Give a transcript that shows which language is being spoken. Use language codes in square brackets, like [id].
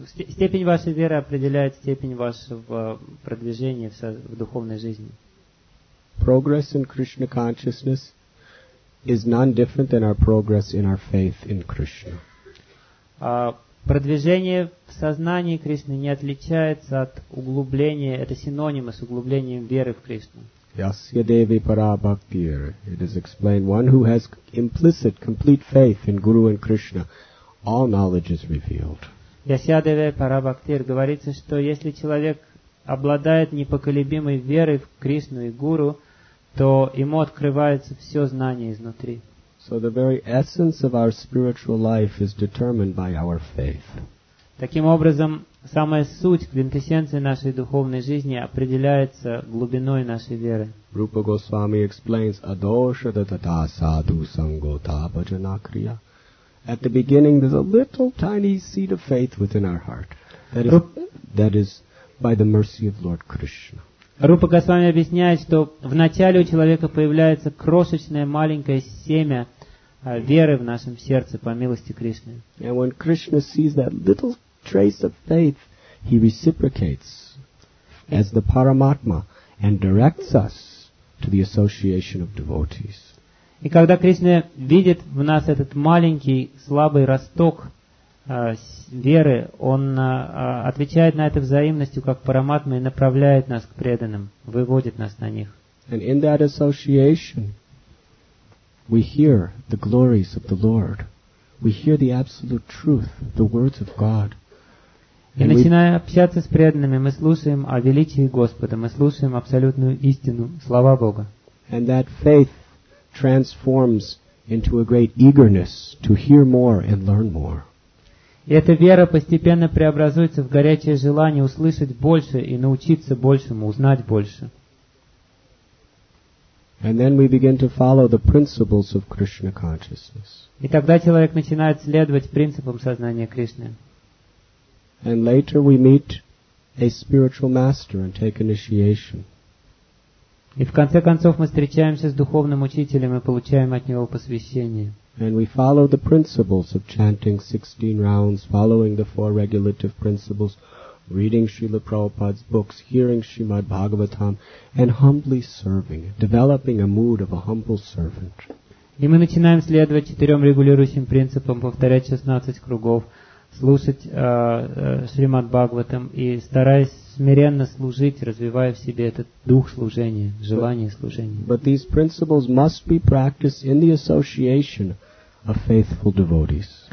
[ru] Степень вашей веры определяет степень вашего продвижения в духовной жизни. [en] Progress in Krishna consciousness is none different than our progress in our faith in Krishna. [ru] Продвижение в сознании Кришны не отличается от углубления, это синонимы с углублением веры в Кришну. [sa] Yasya Devi Para Bhaktir. [en] It is explained, one who has implicit, complete faith in Guru and Krishna, all knowledge is revealed. [sa] Yasya Devi Para Bhaktir. [ru] Говорится, что если человек обладает непоколебимой верой в Кришну и Гуру, то ему открывается все знание изнутри. [en] So the very essence of our spiritual life is determined by our faith. [ru] Таким образом, самая суть, квинтэссенция нашей духовной жизни определяется глубиной нашей веры. [sa] Рупа Госвами [en] explains [sa] adosha tatata sadhu sangota bhajana kriya. [en] At the beginning there's a little tiny seed of faith within our heart. That is by the mercy of Lord Krishna. [ru] Рупа Госвами объясняет, что в начале у человека появляется крошечное маленькое семя веры в нашем сердце по милости Кришны. [en] And when Krishna sees that little trace of faith, he reciprocates as the Paramatma and directs us to the association of devotees. [ru] И когда Кришна видит в нас этот маленький слабый росток веры, он отвечает на это взаимностью как Параматма и направляет нас к преданным, выводит нас на них. [en] And in that association, we hear the glories of the Lord. We hear the absolute truth, the words of God. [ru] И начиная общаться с преданными, мы слушаем о величии Господа, мы слушаем абсолютную истину, слова Бога. [en] And that faith transforms into a great eagerness to hear more and learn more. [ru] И эта вера постепенно преобразуется в горячее желание услышать больше и научиться большему, узнать больше. [en] And then we begin to follow the principles of Krishna consciousness. [ru] И тогда человек начинает следовать принципам сознания Кришны. [en] And later we meet a spiritual master and take initiation. [ru] И в конце концов мы встречаемся с духовным учителем и получаем от него посвящение. [en] And we follow the principles of chanting 16 rounds, following the four regulative principles, reading Srila Prabhupada's books, hearing Srimad Bhagavatam, and humbly serving, developing a mood of a humble servant. [ru] И мы начинаем следовать четырем регулирующим принципам, повторять 16 кругов, слушать Шримад Бхагаватам и стараясь смиренно служить, развивая в себе этот дух служения, желание служения. [en] But these principles must be practiced in the association of faithful devotees.